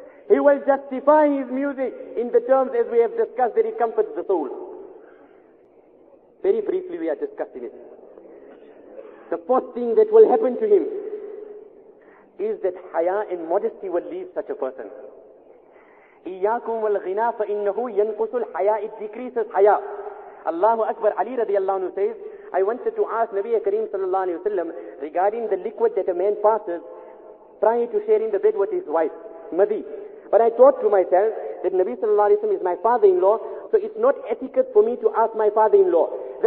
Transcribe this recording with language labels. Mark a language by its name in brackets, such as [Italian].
[English] He will justify his music in the terms as we have discussed that it comforts the soul. Very briefly we are discussing it. The fourth thing that will happen to him is that haya and modesty will leave such a person. [Arabic] إِيَّاكُمْ وَالْغِنَى فَإِنَّهُ يَنْقُسُ الْحَيَىٰ [English] It decreases haya. Allahu Akbar, Ali radiallahu anhu says, I wanted to ask Nabi Kareem sallallahu alayhi wa sallam regarding the liquid that a man passes prior to sharing the bed with his wife, Madi. But I thought to myself that Nabi sallallahu alayhi wa sallam is my father-in-law, so it's not etiquette for me to ask my father-in-law.